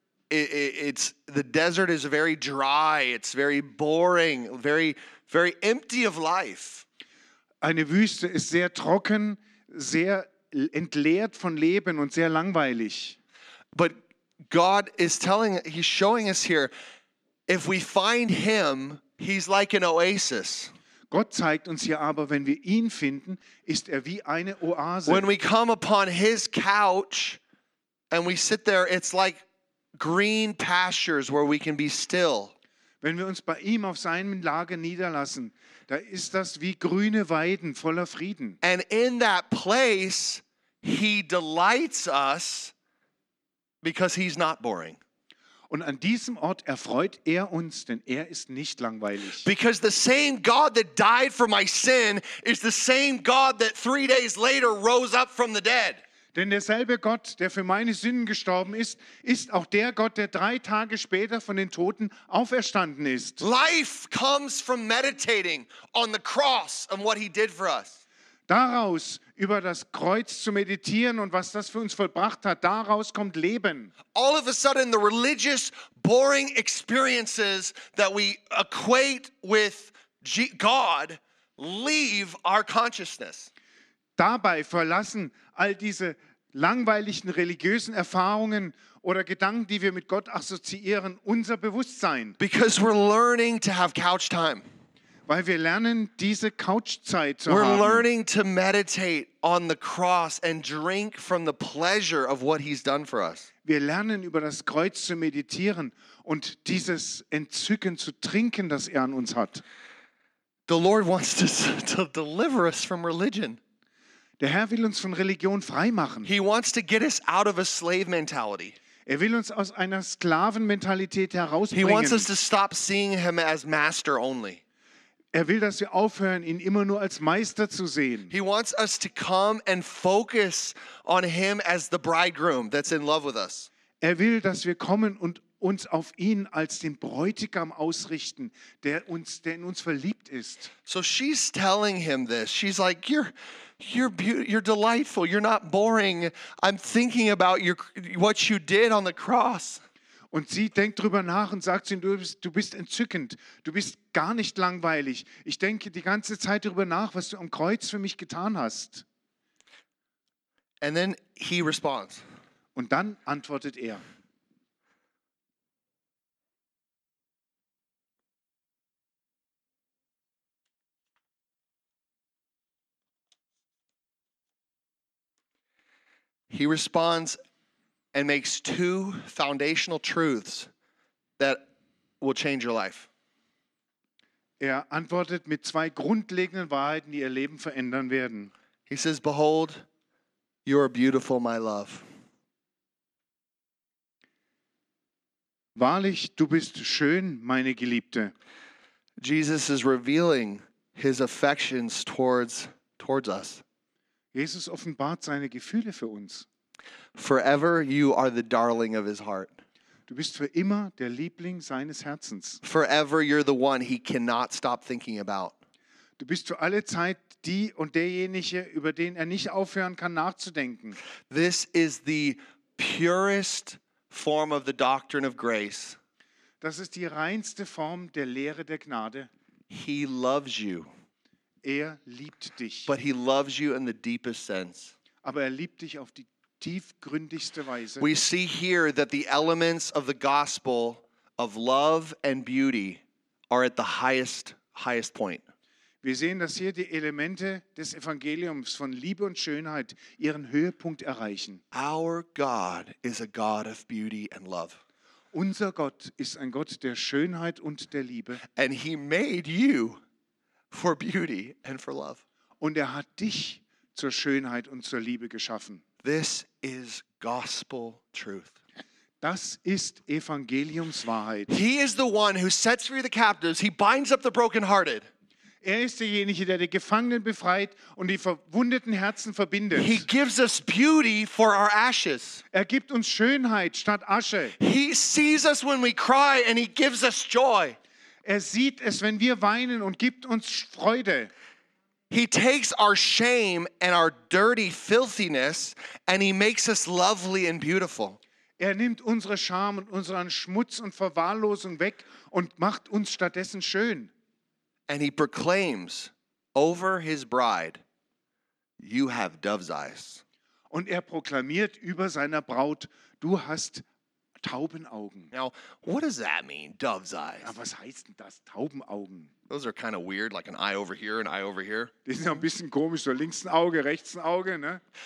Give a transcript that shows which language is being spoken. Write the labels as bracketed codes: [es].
[en] The desert is very dry, it's very boring, very very empty of life. [de] Eine Wüste ist sehr trocken, sehr entleert von Leben und sehr langweilig. [en] But God is telling, he's showing us here, if we find him, he's like an oasis. [de] Gott zeigt uns hier aber, wenn wir ihn finden, ist er wie eine Oase. [en] When we come upon his couch and we sit there, it's like green pastures where we can be still. [de] Wenn wir uns bei ihm auf seinem Lager niederlassen, da ist das wie grüne Weiden voller Frieden. [en] And in that place he delights us because he's not boring. [de] Und an diesem Ort erfreut er uns, denn er ist nicht langweilig. [en] Because the same God that died for my sin is the same God that 3 days later rose up from the dead. [de] Denn derselbe Gott, der für meine Sünden gestorben ist, ist auch der Gott, der 3 Tage später von den Toten auferstanden ist. [en] Life comes from meditating on the cross and what he did for us. [de] Daraus über das Kreuz zu meditieren und was das für uns vollbracht hat, daraus kommt Leben. [en] All of a sudden the religious boring experiences that we equate with God leave our consciousness. [de] Dabei verlassen all diese langweiligen religiösen Erfahrungen oder Gedanken, die wir mit Gott assoziieren, unser Bewusstsein. [en] Because we're learning to have couch time. [de] Weil wir lernen, diese Couchzeit zu haben. [en] We're learning to meditate on the cross and drink from the pleasure of what he's done for us. [de] Wir lernen, über das Kreuz zu meditieren und dieses Entzücken zu trinken, das an uns hat. [en] The Lord wants to deliver us from religion. [de] Der Herr will uns von Religion freimachen. [en] He wants to get us out of a slave mentality. [de] Er will uns aus einer Sklavenmentalität herausbringen. [en] He wants us to stop seeing him as master only. [de] Er will, dass wir aufhören, ihn immer nur als Meister zu sehen. [en] He wants us to come and focus on him as the bridegroom that's in love with us. [de] Er will, dass wir kommen und uns auf ihn als den Bräutigam ausrichten, der in uns verliebt ist. [en] So she's telling him this. She's like, you're beautiful, you're delightful, you're not boring. I'm thinking about what you did on the cross. [de] Und sie denkt drüber nach und sagt zu ihm, du bist entzückend, du bist gar nicht langweilig. Ich denke die ganze Zeit darüber nach, was du am Kreuz für mich getan hast. [en] And then he responds. [de] Und dann antwortet er. [en] He responds and makes two foundational truths that will change your life. [de] Er antwortet mit zwei grundlegenden Wahrheiten, die ihr Leben verändern werden. [en] He says, behold, you are beautiful, my love. [de] Wahrlich, du bist schön, meine Geliebte. [en] Jesus is revealing his affections towards us. [de] Jesus offenbart seine Gefühle für uns. [en] Forever you are the darling of his heart. [de] Du bist für immer der Liebling seines Herzens. [en] Forever you're the one he cannot stop thinking about. [de] Du bist für alle Zeit die und derjenige, über den nicht aufhören kann nachzudenken. [en] This is the purest form of the doctrine of grace. [de] Das ist die reinste Form der Lehre der Gnade. [en] He loves you. [de] Er liebt dich. [en] But he loves you in the deepest sense. [de] Aber er liebt dich auf die tiefgründigste Weise. [en] We see here that the elements of the gospel of love and beauty are at the highest point. [de] Wir sehen, dass hier die Elemente des Evangeliums von Liebe und Schönheit ihren Höhepunkt erreichen. [en] Our God is a God of beauty and love. [de] Unser Gott ist ein Gott der Schönheit und der Liebe. [en] And he made you for beauty and for love. [de] Und er hat dich zur Schönheit und zur Liebe geschaffen. [en] This is gospel truth. [de] Das ist Evangeliumswahrheit. [en] He is the one who sets free the captives. He binds up the brokenhearted. [de] Er ist derjenige, der die Gefangenen befreit und die verwundeten Herzen verbindet. [en] He gives us beauty for our ashes. [de] Er gibt uns Schönheit statt Asche. [en] He sees us when we cry and he gives us joy. [de] Er sieht es, wenn wir weinen und gibt uns Freude. [en] He takes our shame and our dirty filthiness and he makes us lovely and beautiful. [de] Er nimmt unsere Scham und unseren Schmutz und Verwahrlosung weg und macht uns stattdessen schön. [en] And he proclaims over his bride, you have dove's eyes. [de] Und er proklamiert über seiner Braut, du hast Taubenaugen. [en] Now, what does that mean, dove's eyes? [de] Aber was heißt denn das, Taubenaugen? [en] Those are kind of weird, like an eye over here, an eye over here. [de] Die sind ein bisschen komisch, so links ein Auge, rechts ein Auge, ne?